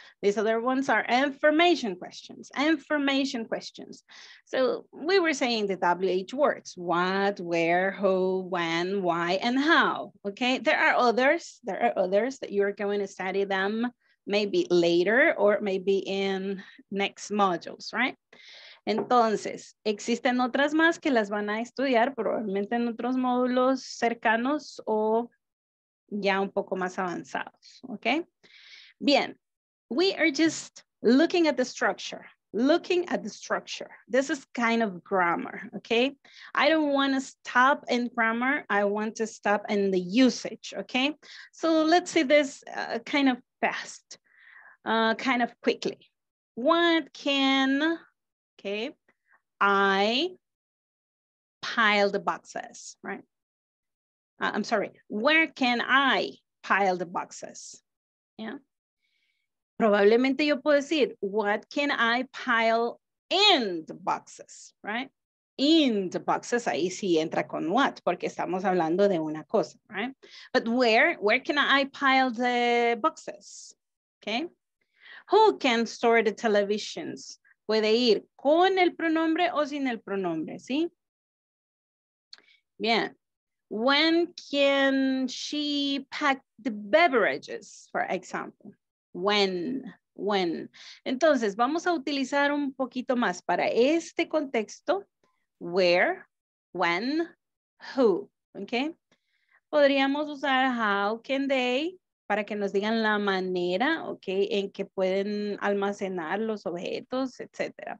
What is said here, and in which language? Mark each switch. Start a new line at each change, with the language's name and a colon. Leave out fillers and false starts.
English: These other ones are information questions, information questions. So we were saying the WH words, what, where, who, when, why, and how, okay? There are others that you're going to study them maybe later or maybe in next modules, right?
Spanish: Entonces, existen otras más que las van a estudiar probablemente en otros módulos cercanos o ya un poco más avanzados, okay? Bien.
English: We are just looking at the structure, looking at the structure. This is kind of grammar, okay? I don't want to stop in grammar. I want to stop in the usage, okay? So let's see this kind of fast, kind of quickly. What can, okay, I pile the boxes, right? I'm sorry, where can I pile the boxes, yeah?
Spanish: Probablemente yo puedo decir,
English: what can I pile in the boxes, right? In the boxes,
Spanish: ahí sí entra con what, porque estamos hablando de una cosa, right?
English: But where can I pile the boxes, okay? Who can store the televisions?
Spanish: Puede ir con el pronombre o sin el pronombre, ¿sí? Bien.
English: When can she pack the beverages, for example? When.
Spanish: Entonces, vamos a utilizar un poquito más para este contexto.
English: Where, when, who, ¿ok?
Spanish: Podríamos usar
English: how can they
Spanish: para que nos digan la manera, ¿ok? En que pueden almacenar los objetos, etcétera.